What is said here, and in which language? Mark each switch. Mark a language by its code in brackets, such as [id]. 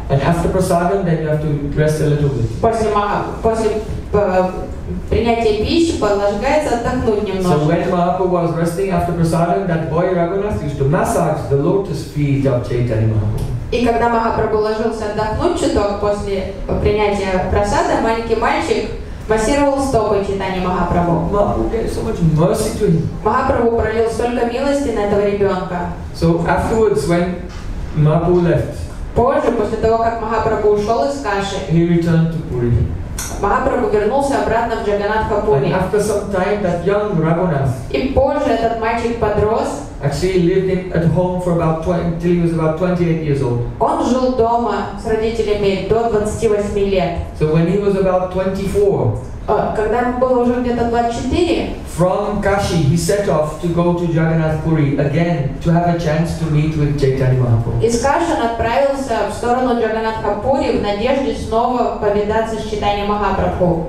[en] And after prasadam, then you have to rest a little bit. [ru] После принятия пищи полагается отдохнуть немножко. [en] So when Mahaprabhu was resting after prasadam, that boy Raghunath used to massage the lotus feet of Chaitanya Mahaprabhu. [ru] И когда Махапрабху ложился отдохнуть чуток после принятия прасада, маленький мальчик массировал стопы Чайтаньи Махапрабху. [en] Mahaprabhu gave so much mercy to him. [ru] Махапрабху пролил столько милости на этого ребенка. [en] So afterwards, when Mahaprabhu left. [ru] Позже, после того, как Махапрабху ушел из Каши, [en] he returned to Puri. [ru] Махапрабху вернулся обратно в Джаганнатха Пури. [en] And after some time, that young Раghunath, [ru] и позже этот мальчик подрос, [en] actually lived in, at home for about 20, till he was about 28 years old. [ru] Он жил дома с родителями до 28 лет. [en] So when he was about 24, [ru] когда ему было уже где-то 24, [en] from Kashi, he set off to go to Jagannath Puri again to have a chance to meet with Chaitanya Mahaprabhu. [ru] Из Каши он отправился в сторону Джаганнатха Пури в надежде снова повидаться с Чайтаньей Махапрабху.